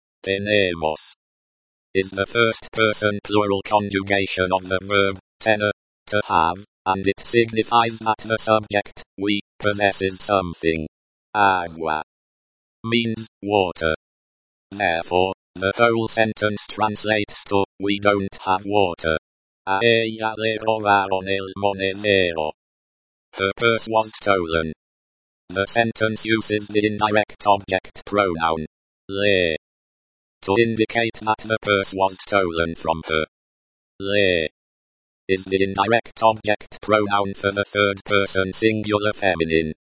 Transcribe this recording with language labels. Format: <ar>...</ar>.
<en>Tenemos is the first person plural conjugation of the verb tener, to have, and it signifies that the subject, we, possesses something. Agua means water. Therefore, the whole sentence translates to, we don't have water.</en> <es>A ella le robaron el monedero.</es> <en>Her purse was stolen. The sentence uses the indirect object pronoun, le, to indicate that the purse was stolen from her. Le is the indirect object pronoun for the third person singular feminine.</en>